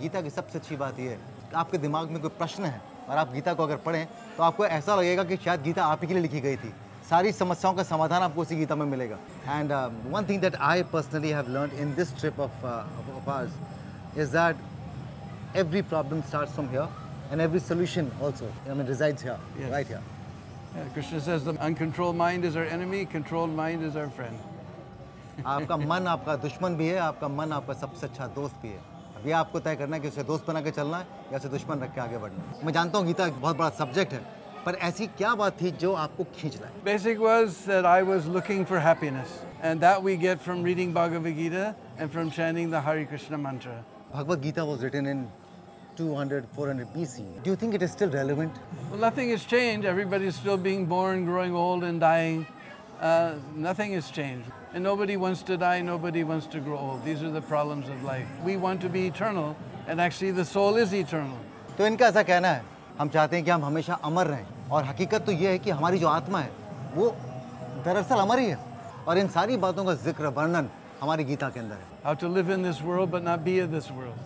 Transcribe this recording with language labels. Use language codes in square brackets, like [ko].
[hi] गीता की सबसे अच्छी बात ये आपके दिमाग में कोई प्रश्न है और आप गीता को अगर पढ़ें तो आपको ऐसा लगेगा कि शायद गीता आप ही के लिए लिखी गई थी। सारी समस्याओं का समाधान आपको उसी गीता में मिलेगा। [en] And one thing that I personally have learned in this trip of ours is that every problem starts from here and every solution also, I mean, resides here, yes. Right here. Yeah, Krishna says, the uncontrolled mind is our enemy, controlled mind is our friend. [hi] आपका मन आपका दुश्मन भी है, आपका मन आपका सबसे अच्छा दोस्त भी है। अब ये आपको तय करना है कि उसे दोस्त बना के चलना है या उसे दुश्मन रख के आगे बढ़ना है। मैं जानता हूँ गीता एक बहुत बड़ा सब्जेक्ट है, पर ऐसी क्या बात थी जो आपको खींच लाए? [en] Basic was that I was looking for happiness, and that we get from reading Bhagavad Gita and from chanting the Hare Krishna mantra. Bhagavad Gita was written in 200-400 BC. Do you think it is still relevant? Well, nothing has changed. Everybody is still being born, growing old and dying. Nothing has changed. And nobody wants to die, nobody wants to grow old. These are the problems of life. We want to be eternal and actually the soul is eternal. [hi] तो इनका ऐसा कहना है, हम चाहते हैं कि हम हमेशा अमर रहें और हकीकत तो ये है कि हमारी जो आत्मा है वो दरअसल अमर ही है और इन सारी बातों का जिक्र वर्णन हमारी गीता के अंदर है। [en] How to live in this world but not be in this world.